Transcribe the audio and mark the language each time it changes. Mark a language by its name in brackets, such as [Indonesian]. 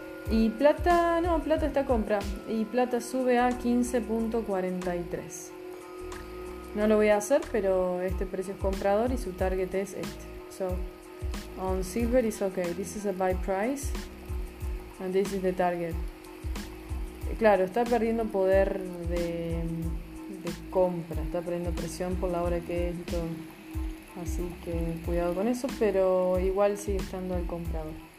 [Spanish] Y plata, no, plata está compra y plata sube a 15.43. no lo voy a hacer, pero este precio es comprador y su target es este. [English] So on silver is okay, this is a buy price and this is the target. [Spanish] Claro, está perdiendo poder de compra, está perdiendo presión por la hora que es y todo. Así que cuidado con eso, pero igual sigue estando el comprador.